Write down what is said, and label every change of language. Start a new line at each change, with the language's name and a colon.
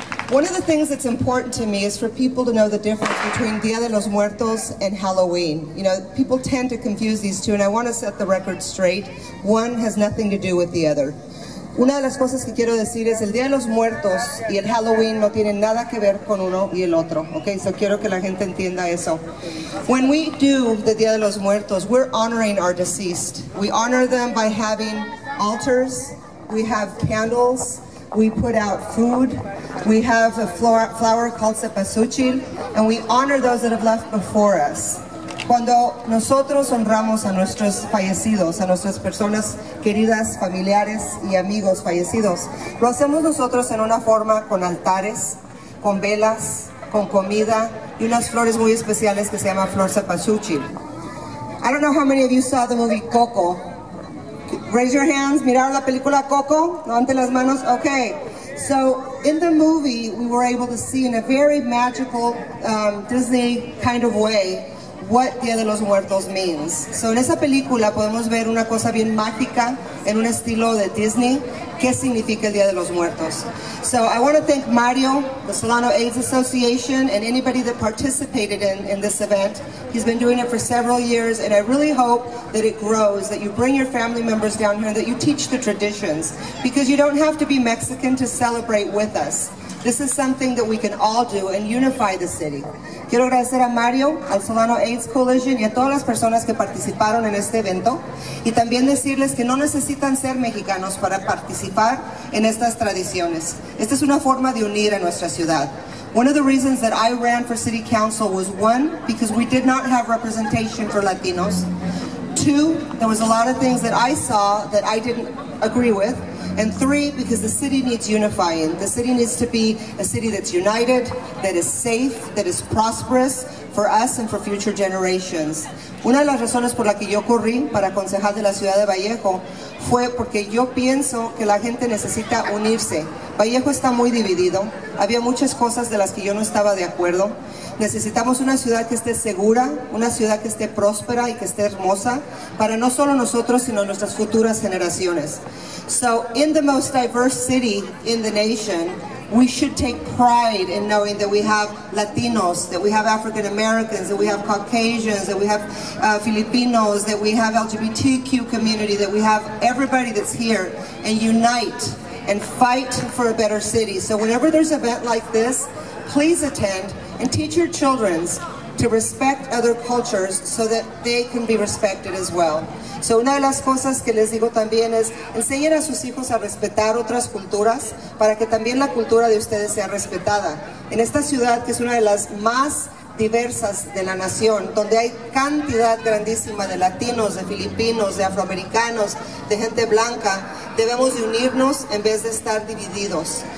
English: One of the things that's important to me is for people to know the difference between Día de los Muertos and Halloween. You know, people tend to confuse these two, and I want to set the record straight. One has nothing to do with the other.
Spanish: Una de las cosas que quiero decir es el Día de los Muertos y el Halloween no tienen nada que ver con uno y el otro. Okay, so quiero que la gente entienda eso.
English: When we do the Día de los Muertos, we're honoring our deceased. We honor them by having altars, we have candles, we put out food, we have a flower called cempasúchil, and we honor those that have left before us.
Spanish: Cuando nosotros honramos a nuestros fallecidos, a nuestras personas queridas, familiares y amigos fallecidos, lo hacemos nosotros en una forma con altares, con velas, con comida y unas flores muy especiales que se llama flor cempasúchil.
English: I don't know how many of you saw the movie Coco. Raise your hands.
Spanish: ¿Miraron la película Coco? Levanten las manos. Okay.
English: So, in the movie, we were able to see in a very magical Disney kind of way what Día de los Muertos means.
Spanish: So, en esa película podemos ver una cosa bien mágica en un estilo de Disney, ¿qué significa el Día de los Muertos?
English: So, I want to thank Mario, the Solano AIDS Association, and anybody that participated in this event. He's been doing it for several years, and I really hope that it grows, that you bring your family members down here, that you teach the traditions, because you don't have to be Mexican to celebrate with us. This is something that we can all do and unify the city.
Spanish: Quiero agradecer a Mario, al Solano AIDS Coalition y a todas las personas que participaron en este evento y también decirles que no necesitan ser mexicanos para participar en estas tradiciones. Esta es una forma de unir a nuestra ciudad.
English: One of the reasons that I ran for city council was one, because we did not have representation for Latinos. Two, there was a lot of things that I saw that I didn't agree with. And three, because the city needs unifying. The city needs to be a city that's united, that is safe, that is prosperous for us and for future generations.
Spanish: Una de las razones por la que yo corrí para concejal de la ciudad de Vallejo fue porque yo pienso que la gente necesita unirse. Vallejo está muy dividido. Había muchas cosas de las que yo no estaba de acuerdo. Necesitamos una ciudad que esté segura, una ciudad que esté próspera y que esté hermosa para no solo nosotros, sino nuestras futuras generaciones.
English: So, in the most diverse city in the nation, we should take pride in knowing that we have Latinos, that we have African Americans, that we have Caucasians, that we have Filipinos, that we have LGBTQ community, that we have everybody that's here, and unite and fight for a better city. So whenever there's an event like this, please attend and teach your children to respect other cultures so that they can be respected as well.
Spanish: So una de las cosas que les digo también es enseñen a sus hijos a respetar otras culturas para que también la cultura de ustedes sea respetada. En esta ciudad que es una de las más diversas de la nación, donde hay cantidad grandísima de latinos, de filipinos, de afroamericanos, de gente blanca, debemos de unirnos en vez de estar divididos.